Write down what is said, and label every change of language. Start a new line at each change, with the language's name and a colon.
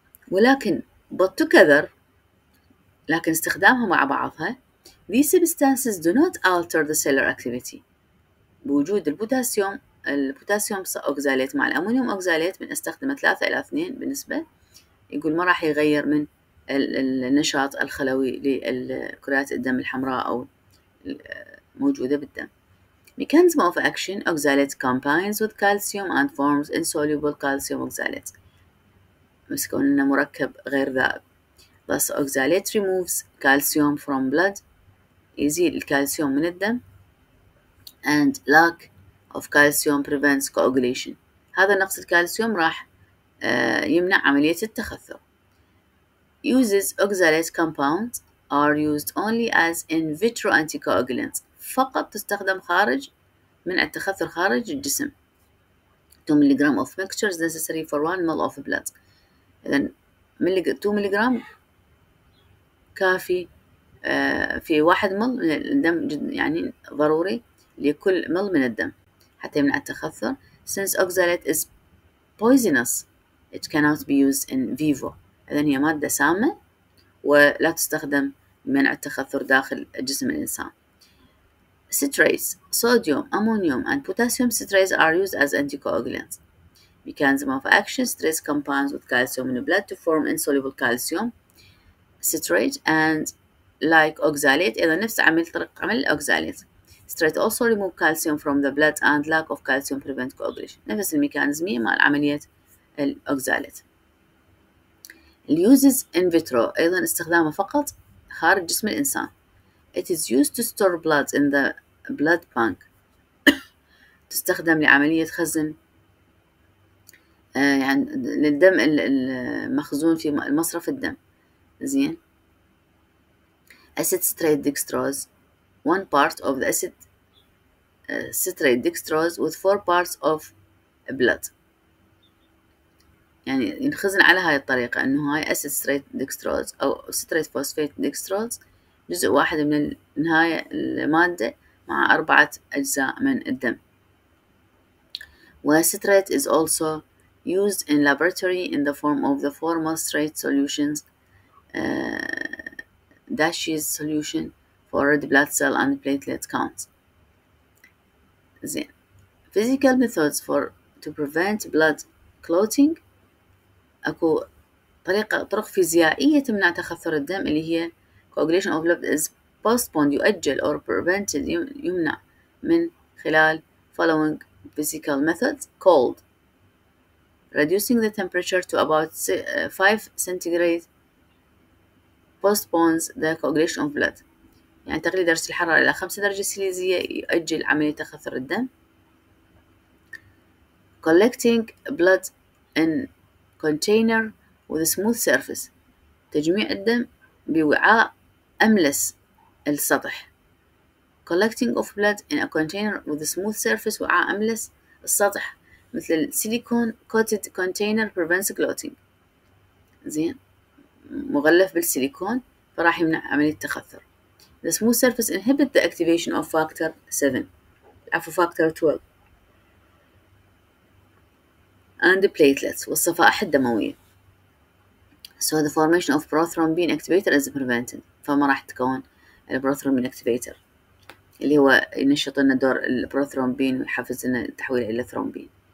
Arabic: ولكن
English: but together
Arabic: لكن استخدامها مع بعضها
English: these substances do not alter the cellular activity.
Arabic: بوجود البوتاسيوم أوكسالات مع الأمونيوم أوكسالات من استخدمه 3 إلى 2 بالنسبة يقول ما راح يغير من النشاط الخلوي لكريات الدم الحمراء أو موجودة بالدم.
English: Mechanism of action: oxalate combines with calcium and forms insoluble calcium oxalate.
Arabic: بس كوننا مركب غير ذائب.
English: Thus, oxalate removes calcium from blood.
Arabic: يزيل الكالسيوم من الدم.
English: And lack of calcium prevents coagulation.
Arabic: هذا نقص الكالسيوم راح يمنع عملية التخثر.
English: Uses oxalate compounds are used only as in vitro anticoagulants.
Arabic: فقط تستخدم خارج من التخثر خارج الجسم.
English: 2 milligram of mixture is necessary for 1 ml of blood.
Arabic: إذن 2 ملغرام كافي في 1 ml من الدم يعني ضروري لكل ml من الدم حتى يمنع التخثر.
English: Since oxalate is poisonous, it cannot be used in vivo.
Arabic: إذن هي مادة سامة ولا تستخدم لمنع التخثر داخل جسم الإنسان.
English: Citrates, sodium, ammonium and potassium citrates are used as anticoagulants. Mechanism of action: citrate compounds with calcium in the blood to form insoluble calcium citrate, and like oxalate,
Arabic: إذا نفس عمل طريقة عمل الأوكسالات.
English: Citrate also remove calcium from the blood, and lack of calcium prevent coagulation.
Arabic: نفس الميكانيزمية مع عملية الأوكسالات.
English: Uses in vitro,
Arabic: أيضا استخدامه فقط خارج جسم الإنسان.
English: It is used to store blood in the blood bank.
Arabic: تستخدم لعملية خزن يعني للدم المخزون في مصرف الدم. زين.
English: Acid citrate dextrose, one part of the acid citrate dextrose with four parts of blood.
Arabic: يعني ينخزن على هاي الطريقة، انه هاي اسيد ستريت ديكستروز او ستريت فوسفيت ديكستروز جزء واحد من هاي المادة مع اربعة اجزاء من الدم.
English: وستريت is also used in laboratory in the form of the formal straight solutions dashes solution for red blood cell and platelet counts.
Arabic: زين.
English: Physical methods for to prevent blood clotting.
Arabic: أكو طرق فيزيائية تمنع تخثر الدم اللي هي
English: coagulation of blood is postponed,
Arabic: يؤجل
English: or prevented,
Arabic: يمنع من خلال
English: following physical methods. Cold. Reducing the temperature to about 5 centigrade postpones the coagulation of blood.
Arabic: يعني تقليل درجة الحرارة إلى 5 درجة سليزية يؤجل عملية تخثر الدم.
English: Collecting blood in container with a smooth surface.
Arabic: تجميع الدم بوعاء أملس السطح.
English: Collecting of blood in a container with a smooth surface,
Arabic: وعاء أملس السطح مثل السيليكون
English: coated container prevents clotting.
Arabic: زين، مغلف بالسيليكون فراح يمنع عملية التخثر.
English: The smooth surface inhibits the activation of factor 7
Arabic: عفو
English: factor 12 and the platelets
Arabic: والصفائح الدموية.
English: So the formation of prothrombin activator is prevented.
Arabic: فما راح تكون البروثرومبين activator اللي هو ينشط لنا دور البروثرومبين ويحفز لنا التحويل الى ثرومبين.